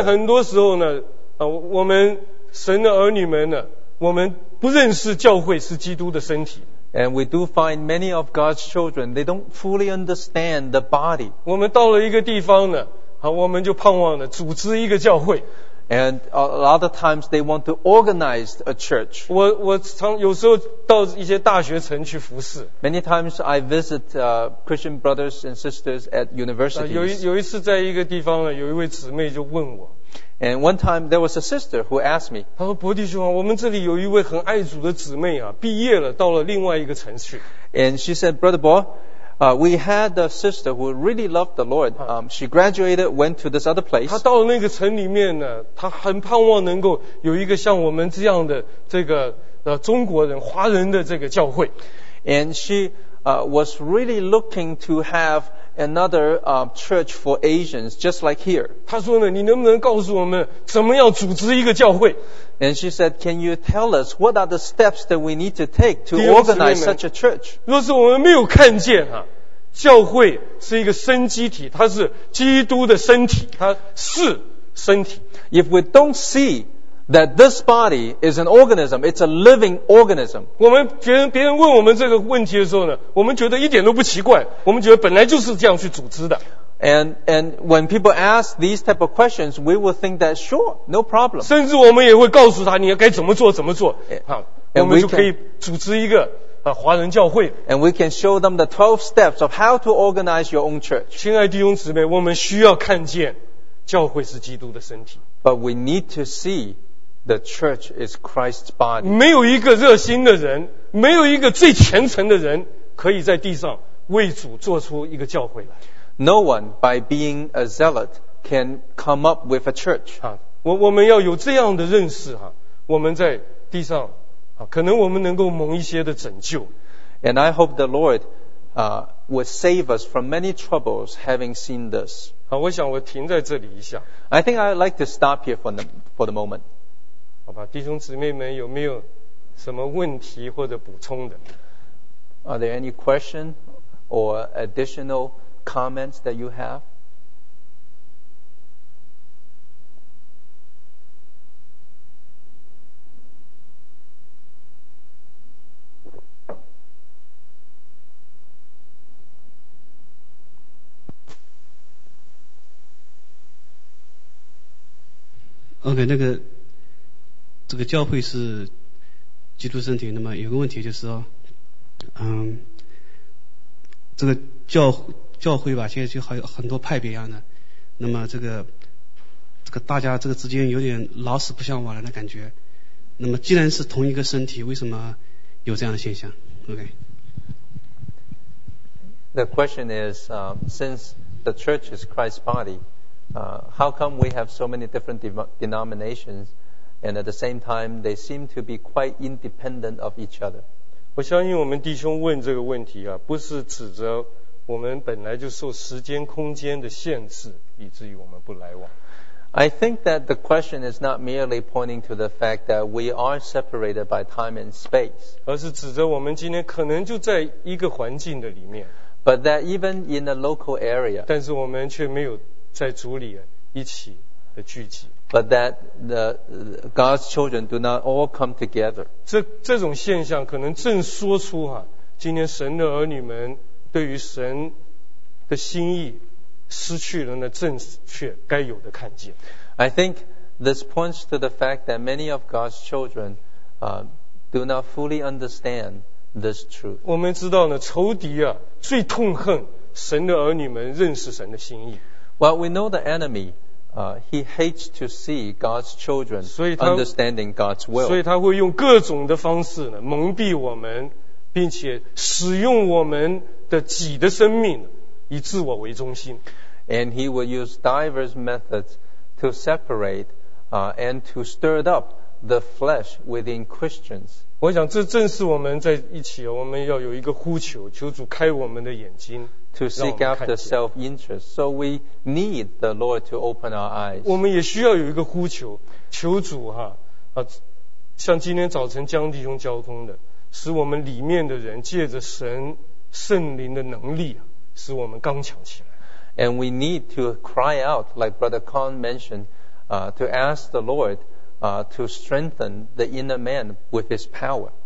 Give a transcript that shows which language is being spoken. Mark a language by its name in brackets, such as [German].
[Chinese] 今天很多时候呢，我们神的儿女们呢，我们不认识教会是基督的身体。 [English] And we do find many of God's children, they don't fully understand the body. [Chinese] 我们到了一个地方呢，我们就盼望呢组织一个教会。 [English] And a lot of times they want to organize a church. [Chinese] 我常有时候到一些大学城去服侍。 [English] Many times I visit Christian brothers and sisters at universities. [Chinese] 有一次在一个地方呢，有一位姊妹就问我。 [English] And one time there was a sister who asked me. [Chinese] 她说：“伯弟兄啊，我们这里有一位很爱主的姊妹啊，毕业了，到了另外一个城去。” [English] And she said, "Brother Bo,we had a sister who really loved the Lord. She graduated, went to this other place. [Chinese] 她到了那个城里面呢，她很盼望能够有一个像我们这样的这个中国人华人的这个教会。 [English] And she was really looking to have another church for Asians just like here. [Chinese] 她说呢，你能不能告诉我们怎么样组织一个教会？ [English] And she said, "Can you tell us what are the steps that we need to take to organize such a church?" [Chinese] 若是我们没有看见教会是一个生机体，它是基督的身体，它是身体。 [English] If we don't see that this body is an organism, it's a living organism. [Chinese] 我们别人问我们这个问题的时候呢，我们觉得一点都不奇怪，我们觉得本来就是这样去组织的。 [English] And when people ask these type of questions, we will think that sure, no problem. [Chinese] 甚至我们也会告诉他你该怎么做怎么做。 [English] And we can [Chinese] 组织一个华人教会。 [English] And we can show them the 12 steps of how to organize your own church. [Chinese] 亲爱弟兄姊妹，我们需要看见教会是基督的身体。 [English] But we need to see the church is Christ's body. [Chinese] 没有一个热心的人，没有一个最虔诚的人，可以在地上为主做出一个教会来。 [English] No one, by being a zealot, can come up with a church. [Chinese] 我们要有这样的认识我们在地上可能我们能够蒙一些的拯救。 [English] And I hope the Lord would save us from many troubles having seen this. [Chinese] 我想我停在这里一下。 [English] I think I'd like to stop here for the moment. [Chinese] 好吧，弟兄姊妹们有没有什么问题或者补充的？ [English] Are there any question or additional comments that you have? [Chinese] Okay, 那个这个教会是基督身体，那么有个问题就是说，这个教会吧，现在就还有很多派别一样的，那么这个大家这个之间有点老死不相往来的感觉。那么既然是同一个身体，为什么有这样的现象 ？OK。 [English] The question is, since the church is Christ's body, how come we have so many different denominations, and at the same time they seem to be quite independent of each other？ [Chinese] 我相信我们弟兄问这个问题不是指着。我们本来就受时间空间的限制，以至于我们不来往。 [English] I think that the question is not merely pointing to the fact that we are separated by time and space. [Chinese] 而是指着我们今天可能就在一个环境的里面。 [English] But that even in a local area. [Chinese] 但是我们却没有在主里一起的聚集。 [English] But that the God's children do not all come together. [Chinese] 这种现象可能正说出今天神的儿女们对于神的心意失去了那正确该有的看见。 [English] I think this points to the fact that many of God's children, do not fully understand this truth. [Chinese] 我们知道呢，仇敌啊，最痛恨神的儿女们认识神的心意。 [English] Well, we know the enemy, he hates to see God's children understanding God's will. [Chinese] 所以他会用各种的方式呢，蒙蔽我们，并且使用我们的己的生命以自我为中心。 [English] And he will use diverse methods to separate, and to stir up the flesh within Christians. [Chinese] 我想这正是我们在一起，我们要有一个呼求，求主开我们的眼睛。 [English] To seek after self-interest. So we need the Lord to open our eyes. [Chinese] 我们也需要有一个呼求，求主哈，啊，像今天早晨江弟兄交通的，使我们里面的人借着神圣灵的能力，使我们刚强起来。 [English] And we need to cry out, like Brother Khan mentioned, to ask the Lord, to strengthen the inner man with his power.